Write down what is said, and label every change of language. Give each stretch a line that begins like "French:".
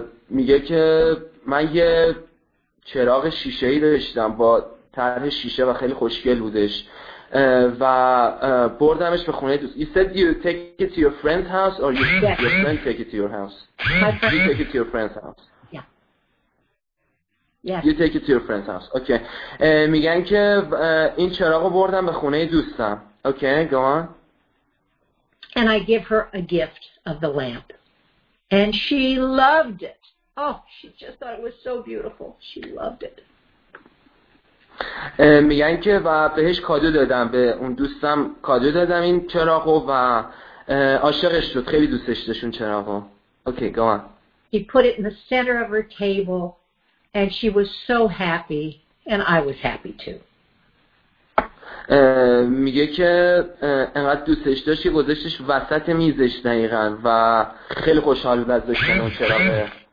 Persian: میگه که من یه چراغ شیشه‌ای داشتم با طرح شیشه و خیلی خوشگل بودش. و بردمش به خونه دوست.
English: You said you take it to your friend's house or you yes. your friend take it to your house. You take it to your friend's house. Yeah. You take it to your friend's house. Okay.
Persian: میگن که این چراغو بردم به خونه دوستم.
English: Okay, go on. And I give her a gift of the lamp. And she loved it. Oh, she just thought it was so beautiful. She loved it.
Persian: میگن که و بهش کادو دادم، به اون دوستم کادو دادم این چراغو و عاشقش شد، خیلی دوستش داشت اون چراغو.
English: Okay, go on. She put it in the center of her table and she was so happy and I was happy too.
Persian: میگه که انقدر دوستش داشت که گذاشتش وسط میزش دقیقاً و خیلی خوشحال بود از داشتن اون چراغ.